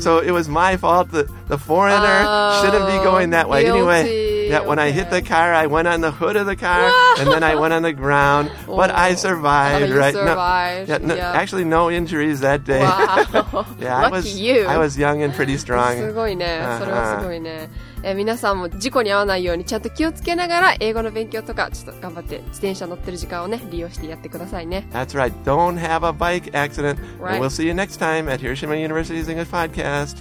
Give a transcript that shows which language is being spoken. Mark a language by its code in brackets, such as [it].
[en] So it was my fault that the foreigner shouldn't be going that way. Anyway, when I hit the car, I went on the hood of the car, and then I went on the ground. But I survived, right? You survived. Actually, no injuries that day. Wow. Yeah, Lucky you. I was young and pretty strong. [ja] すごいね。それはすごいね。皆さんも事故に遭わないようにちゃんと気をつけながら英語の勉強とかちょっと頑張って自転車乗ってる時間をね利用してやってくださいね. [en] That's right. Don't have a bike accident. Right. And we'll see you next time at Hiroshima University's English Podcast.